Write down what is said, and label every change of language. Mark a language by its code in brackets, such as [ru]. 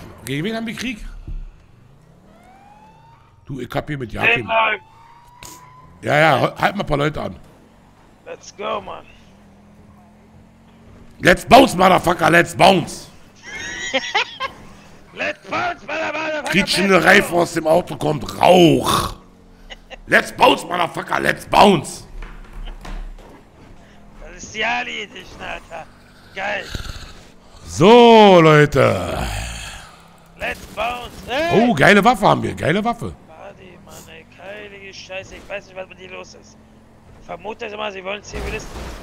[de] Gegen wen haben wir Krieg? Du, ich hab hier mit Jakim. Ja, ja, halt mal ein paar Leute an. [en] Let's go, man. Let's bounce, motherfucker, let's bounce. Let's bounce, motherfucker. [de] Quietschende Reifen aus dem Auto kommt, Rauch. [en] Let's bounce, motherfucker, let's bounce. [de] Das ist die Ali, die Schnatter. Geil. So, Leute. [en] Let's bounce. Hey. [de] Oh, geile Waffe haben wir, geile Waffe. Buddy, Mann, ey, heilige Scheiße. Ich weiß nicht, was mit dir los ist. Vermute ich mal, sie wollen Zivilisten.